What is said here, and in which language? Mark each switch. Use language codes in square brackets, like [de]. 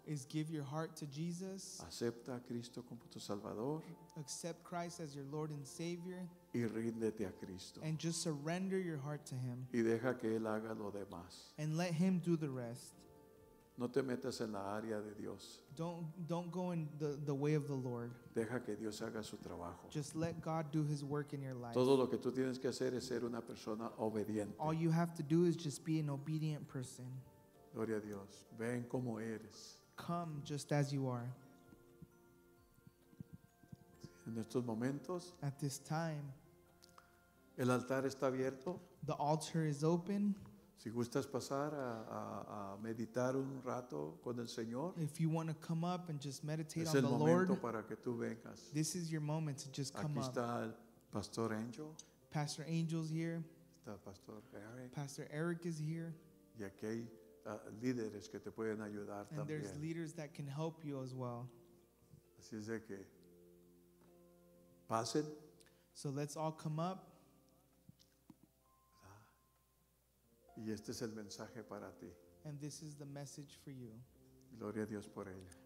[en] Is give your heart to Jesus. [es] Acepta a Cristo como tu Salvador. [en] Accept Christ as your Lord and Savior. [es] Y ríndete a Cristo. [en] And just surrender your heart to him. [es] Y deja que él haga lo demás. [en] And let him do the rest. [es] No te metas en la área de Dios. [en] Don't go in the way of the Lord. [es] Deja que Dios haga su trabajo. [en] Just let God do his work in your life. [es] Todo lo que tú tienes que hacer es ser una persona obediente. [en] All you have to do is just be an obedient person. [es] Gloria a Dios. Ven como eres. [en] Come just as you are. [es] En estos momentos, [en] at this time, [es] el altar está abierto. [en] The altar is open. [es] Si gustas pasar a meditar un rato con el Señor, [en] if you want to come up and just meditate [es] es [en] on [es] el [en] the [es] momento [en] Lord, [es] para que tú vengas. [en] This is your moment to just come [es] Aquí está El Pastor Angel. [en] Pastor Angel's here. [es] Está Pastor Eric. [en] Pastor Eric is here. [es] Y aquí hay líderes que te pueden ayudar [en] and [es] también. [en] There's leaders that can help you as well. [es] Así es de que pasen. [en] So let's all come up. [es] Y este es el mensaje para ti. [en] And this is the message for you. [es] Gloria a Dios por ello.